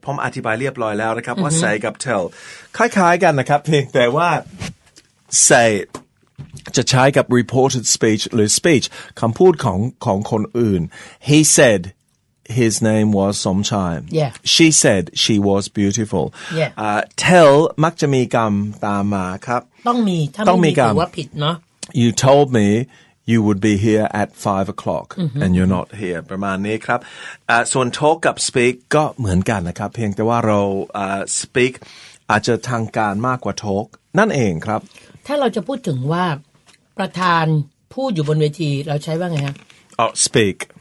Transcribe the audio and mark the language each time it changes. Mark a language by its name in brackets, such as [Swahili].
[Thai] ผมอธิบายเรียบร้อยแล้วนะครับ mm-hmm. ว่า say กับ tell คล้ายๆกันนะครับเพียงแต่ว่า say จะใช้กับ reported speech หรือ speech คำพูดของคนอื่น [English] he said his name was Somchai yeah she said she was beautiful yeah [Thai] tell มักจะมีกรรมตามมาครับ ต้องมีถ้าไม่มีถือว่าผิดเนาะ [English] you told me you would be here at 5 o'clock mm-hmm. and you're not here [Thai] ประมาณนี้ครับส่วน talk กับ speak ก็เหมือนกันนะครับเพียงแต่ว่าเรา speak อาจจะทางการมากกว่า talk นั่นเองครับ ถ้าเราจะพูดถึงว่าประธานพูดอยู่บนเวทีเราใช้ว่าไงฮะ อ๋อ speak